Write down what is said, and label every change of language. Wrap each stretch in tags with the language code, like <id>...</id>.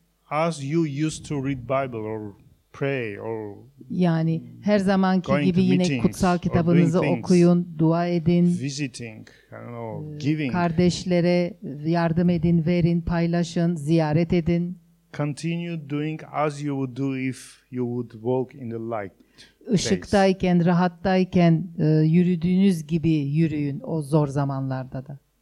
<en>As you used to read Bible or pray or</en> <tr>yani her zamanki gibi yine kutsal kitabınızı okuyun, dua edin.</tr> <en>Visiting, I don't know, giving.</en> <tr>Kardeşlere yardım edin, verin, paylaşın, ziyaret edin.</tr> <en>Continue doing as you would do if you would walk in the light.</en> <tr>Işıktayken, rahattayken yürüdüğünüz gibi yürüyün o zor zamanlarda da.</tr>